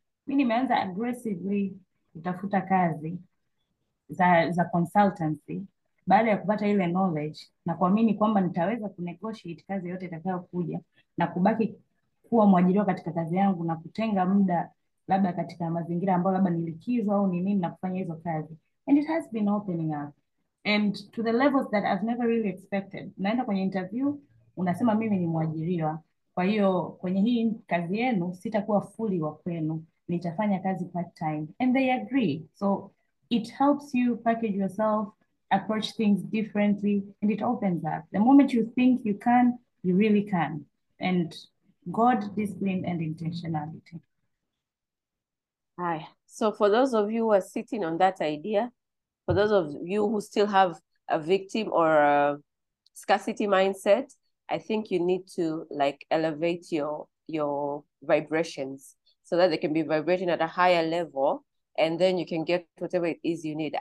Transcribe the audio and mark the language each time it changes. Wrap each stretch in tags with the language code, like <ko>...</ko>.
<sw>Mimi nimeanza aggressively kutafuta kazi za consultancy baada ya kupata ile knowledge na kuamini kwamba nitaweza kunegotiate kazi yote itakayokuja na kubaki kuwa mwajiriwa katika kazi yangu na kutenga muda labda katika mazingira ambayo labda nilikizwa au ni nini na kufanya hizo kazi.</sw> <en>And it has been opening up. And to the levels that I've never really expected.</en> <sw>Naenda kwenye interview, unasema mimi ni mwajiriwa. Kwa hiyo, kwenye hii kazi yenu, sitakuwa fully wa kwenu. Nitafanya kazi</sw> <en>part time. And they agree. So, it helps you package yourself, approach things differently, and it opens up. The moment you think you can, you really can. And God, discipline, and intentionality. Hi. So for those of you who are sitting on that idea, for those of you who still have a victim or a scarcity mindset, I think you need to like elevate your vibrations so that they can be vibrating at a higher level and then you can get whatever it is you need.</en>